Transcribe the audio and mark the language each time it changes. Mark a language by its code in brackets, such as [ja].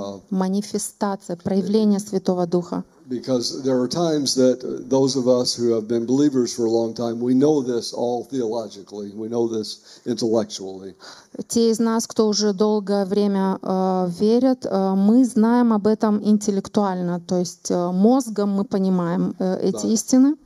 [ru] Манифестация, проявление Святого Духа. [en] Because there are times that those of us who have been believers for a long time, we know this all theologically, we know this intellectually. [ru] Те из нас, кто уже долгое время верят, мы знаем об этом интеллектуально, то есть мозгом мы понимаем эти истины.